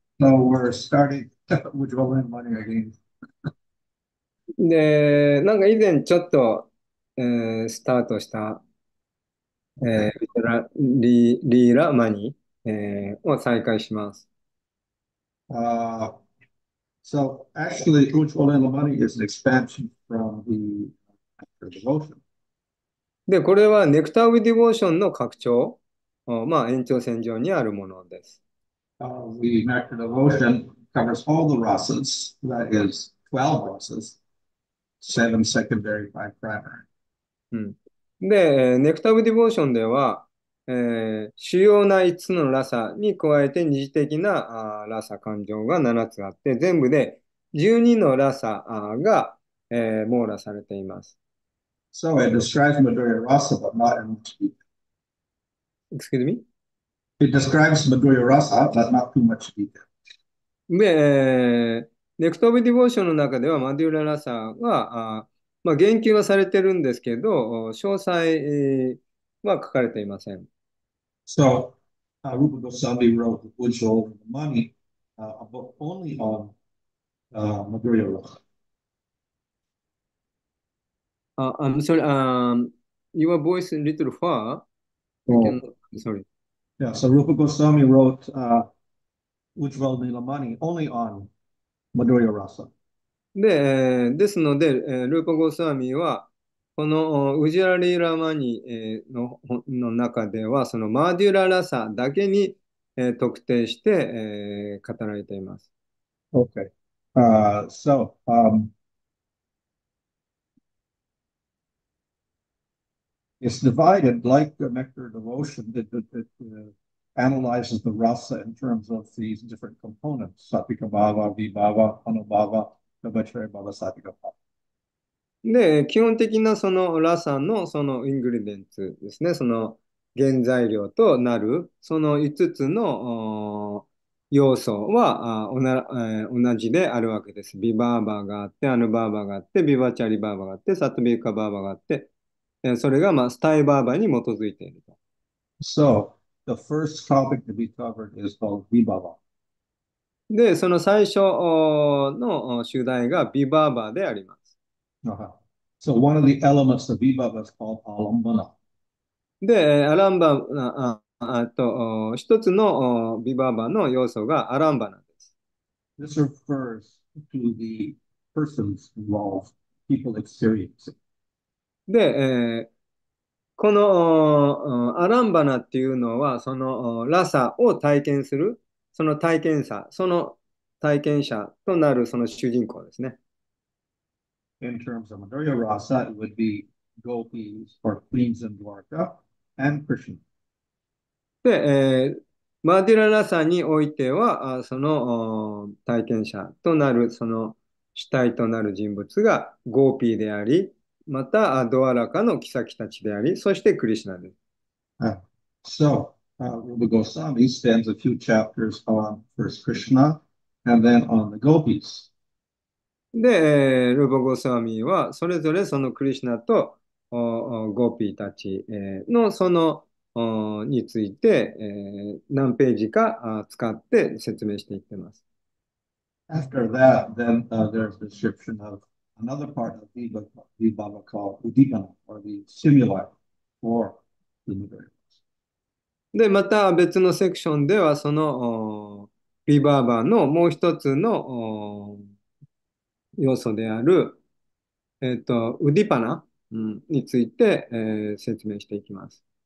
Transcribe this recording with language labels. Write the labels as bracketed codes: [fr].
[en] So we're starting with Ujjwala Nilamani again. [ja] で、なんか以前ちょっと、スタートした、リーラマニ、を再開します。 [en] So actually, Ujjwala Nilamani is an expansion from the devotion. [ja] で、これはネクターウィディボーションの拡張、まあ延長線上にあるものです。 [en] The nectar devotion covers all the rasas, that is 12 rasas, 7 secondary, 5 primary. [ja] で、ネクターウィディボーションでは、主要な5つのラサに加えて二次的なラサ感情が7つあって、全部で12のラサが、網羅されています。 [en] So it describes Madhurya Rasa, but not in much detail. Excuse me? It describes Madhurya Rasa, but not too much detail. [ja] で、ネクトビディボーションの中では、マデューララサは、まあ、言及はされてるんですけど、詳細は書かれていません。 [en] So, Rupa Goswami wrote the Ujjwala Nilamani, a book only on Madhurya Rasa. I'm sorry, your voice is a little far. Yeah, so Rupa Goswami wrote Ujjwala Nilamani only on Madhurya Rasa. [ja] で、ですので、ルーパ・ゴスワミは、このウジラリーラマニ の中では、そのマーデュララサだけに、特定して、語られています。 [en] Okay. So, it's divided like the nectar devotion that analyzes the rasa in terms of these different components, satika bhava, vibhava, anubhava, vibhachari bhava, satika bhava. [ja] で、基本的なそのラサのそのイングリデンツですね、その原材料となる、その5つの要素は同じであるわけです。ビバーバーがあって、アヌバーバーがあって、ビバチャリバーバーがあって、サトビカバーバーがあって、それがまあスタイバーバーに基づいていると。 [en] So, the first topic to be covered is called Vibhava. [ja] で、その最初の主題がビバーバーであります。 [en] So one of the elements of Vibhava is called Alambana. [ja] で、アランバナ、一つのビバーバーの要素がアランバナです。 [en] This refers to the persons involved, people experiencing. [ja] で、このアランバナっていうのは、そのラサを体験する、その体験者、その体験者となるその主人公ですね。 [en] In terms of Madhurya Rasa, it would be gopis or queens in Dwarka and Krishna. [ja] で、マデュララサにおいては、その体験者となる、その主体となる人物がゴーピーであり、またドアラカの妃たちであり、そしてクリシナです。 [en] So, Rupa Goswami spends a few chapters on first Krishna and then on the gopis. [ja] で、ルーパ・ゴスワミは、それぞれそのクリシナとゴーピーたちのそのについて、何ページか使って説明していってます。 [en] After that, then there's a description of another part of the Vibhava called Udigama, or the simulacrum for the materials. [ja] で、また別のセクションでは、その、ビバーバーのもう一つの要素である、ウディパナ、について、説明していきます。